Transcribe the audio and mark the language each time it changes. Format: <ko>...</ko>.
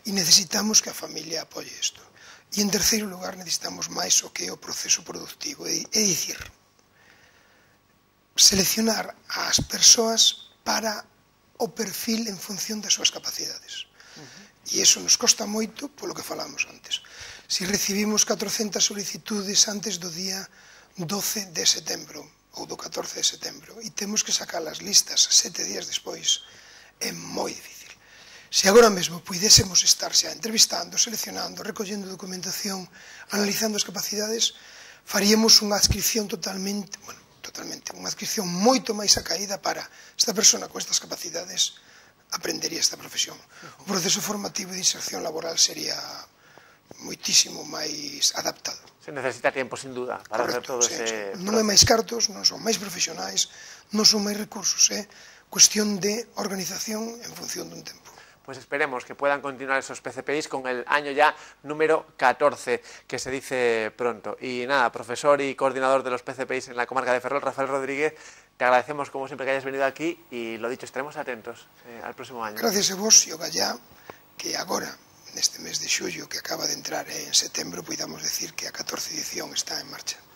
<gl>E necesitamos que a familia apoie isto. E, en terceiro lugar, necesitamos máis o que é o proceso productivo. É dicir, seleccionar as persoas para o perfil en función das súas capacidades. E iso nos costa moito polo que falamos antes. Se recibimos 400 solicitudes antes do día 12 de setembro, ou do 14 de setembro e temos que sacar as listas 7 días despois, é moi difícil. Se agora mesmo pudésemos estar xa entrevistando, seleccionando, recollendo documentación, analizando as capacidades, faríamos unha adscripción totalmente, bueno, totalmente, unha adscripción moito máis acaída para esta persona con estas capacidades aprendería esta profesión. O proceso formativo de inserción laboral sería moitísimo máis adaptado.</gl> <es>Se necesita tiempo, sin duda, para correcto, hacer todo sí, ese... Sí.</es> <gl>Non hai máis cartos, non son máis profesionais, non son máis recursos, é cuestión de organización en función dun tempo.</gl> <es>Pues esperemos que puedan continuar esos PCPIs con el año ya número 14, que se dice pronto. Y nada, profesor y coordinador de los PCPIs en la comarca de Ferrol, Rafael Rodríguez, te agradecemos como siempre que hayas venido aquí y lo dicho, estaremos atentos al próximo año. Gracias a vos, yo ya que ahora, en este mes de xullo que acaba de entrar en septiembre, podamos decir que a 14 edición está en marcha.</es>